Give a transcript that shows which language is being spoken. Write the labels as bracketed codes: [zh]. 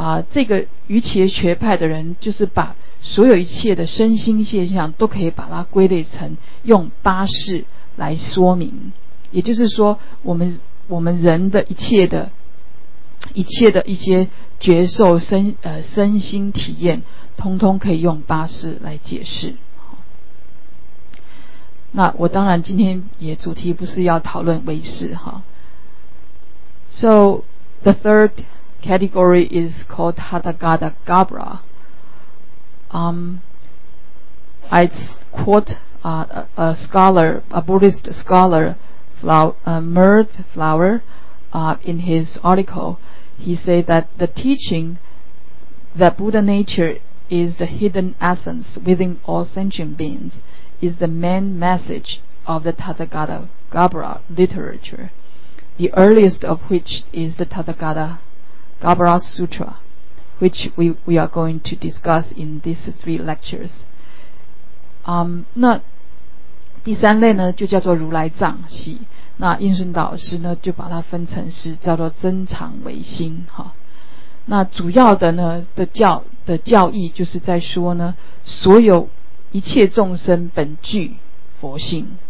[zh] 这个瑜伽学派的人，就是把所有一切的身心现象，都可以把它归类成用八识来说明，也就是说我们人的一切的一些觉受身心体验，通通可以用八识来解释。那我当然今天也主题不是要讨论唯识哈。 [en] So the third category is called Hatagada Gabra. I quote a scholar, a Buddhist scholar. Mert Flower, in his article, he said that the teaching that Buddha nature is the hidden essence within all sentient beings is the main message of the Tathagata Gabra literature, the earliest of which is the Tathagata Gabra Sutra, which we are going to discuss in these three lectures. [zh] 那第三类呢，就叫做如来藏系。那应顺导师呢，就把它分成是叫做真常唯心哈。那主要的呢的教义，就是在说呢，所有一切众生本具佛性。